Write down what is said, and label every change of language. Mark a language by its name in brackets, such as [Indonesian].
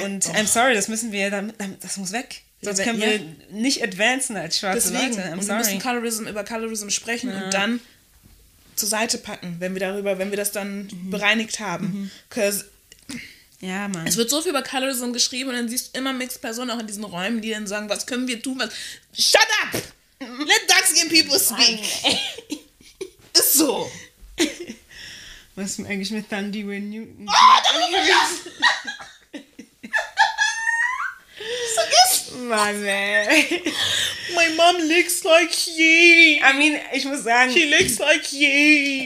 [German] Und [English] I'm sorry, [German] das müssen wir, das muss weg. Sonst können wir nicht advancen als schwarze Deswegen. Leute. Und wir müssen Colorism über Colorism sprechen und dann zur Seite packen, wenn wir das dann bereinigt haben. Ja, Mann. Es wird so viel über Colorism geschrieben und dann siehst du immer mixed Personen auch in diesen Räumen, die dann sagen, was können wir tun? Was? [English] Shut up! Let dark skin people speak! [German] Ist so! Was ist denn eigentlich mit Thandi Newton? Oh, darüber bin ich das! [English] My mom looks like ye. I mean, [German] ich muss sagen, [English] she looks like ye.